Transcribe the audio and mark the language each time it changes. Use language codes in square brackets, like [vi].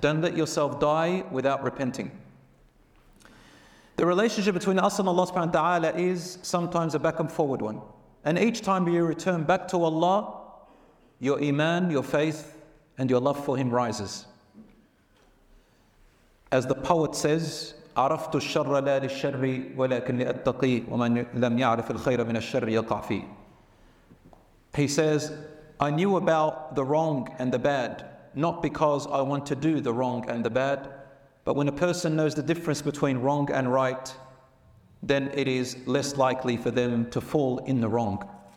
[en] Don't let yourself die without repenting. The relationship between us and Allah subhanahu wa ta'ala is sometimes a back and forward one. And each time you return back to Allah, your iman, your faith, and your love for Him rises. As the poet says, [ar] عَرَفْتُ الشَّرَّ لَا لِلشَّرِّ وَلَكِنْ لِأَتَّقِي وَمَنْ لَمْ يَعْرِفِ الْخَيْرَ مِنَ الشَّرِّ يَقَعْ فِيهِ. [en] He says, I knew about the wrong and the bad, not because I want to do the wrong and the bad, but when a person knows the difference between wrong and right, then it is less likely for them to fall in the wrong.